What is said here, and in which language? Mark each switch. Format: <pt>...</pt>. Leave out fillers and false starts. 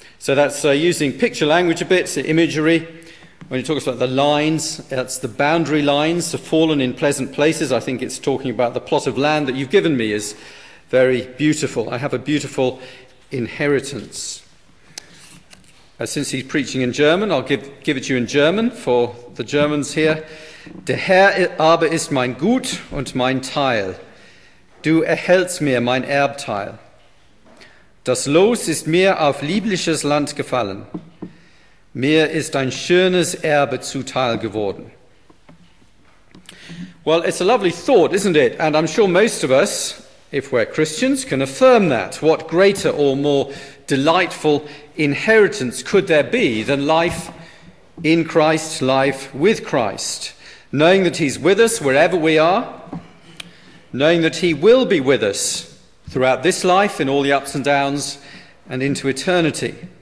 <en>So that's using picture language a bit, so imagery. When he talks about the lines, that's the boundary lines have fallen in pleasant places. I think it's talking about the plot of land that you've given me is very beautiful. I have a beautiful inheritance. Since he's preaching in German, I'll give it to you in German for the Germans here.</en> <de>Der Herr aber ist mein Gut und mein Teil. Du erhältst mir mein Erbteil. Das Los ist mir auf liebliches Land gefallen. Mir ist ein schönes Erbe zuteil geworden.</de> <en>Well, it's a lovely thought, isn't it? And I'm sure most of us, if we're Christians, can affirm that. What greater or more delightful inheritance could there be than life in Christ, life with Christ? Knowing that he's with us wherever we are, knowing that he will be with us throughout this life, in all the ups and downs, and into eternity.</en>